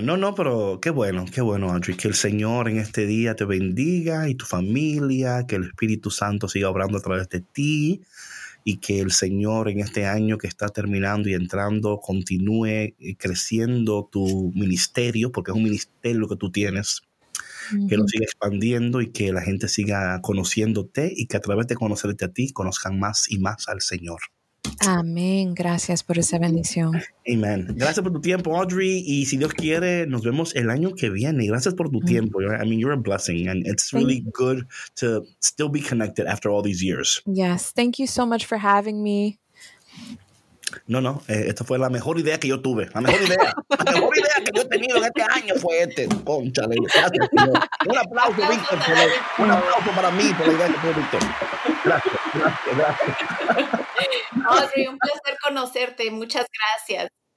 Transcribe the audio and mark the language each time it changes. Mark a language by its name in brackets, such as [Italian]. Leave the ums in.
[Spanish] No, no, pero qué bueno, qué bueno, Audrey. Que el Señor en este día te bendiga y tu familia, que el Espíritu Santo siga obrando a través de ti y que el Señor en este año que está terminando y entrando continúe creciendo tu ministerio, porque es un ministerio que tú tienes que lo siga expandiendo y que la gente siga conociéndote y que a través de conocerte a ti conozcan más y más al Señor. Amén. Gracias por esa bendición. Amén. Gracias por tu tiempo, Audrey. Y si Dios quiere, nos vemos el año que viene. Gracias por tu tiempo. [English] I mean, you're a blessing, and it's really good to still be connected after all these years. Yes. Thank you so much for having me. [Spanish] No, no, eh, esta fue la mejor idea que yo tuve. La mejor idea. La mejor idea que yo he tenido en este año fue este. Conchale. Gracias, señor. Un aplauso, Víctor. Por el, un aplauso para mí por la idea que tuvo Víctor. Gracias, gracias, gracias. Audrey, un placer conocerte. Muchas gracias.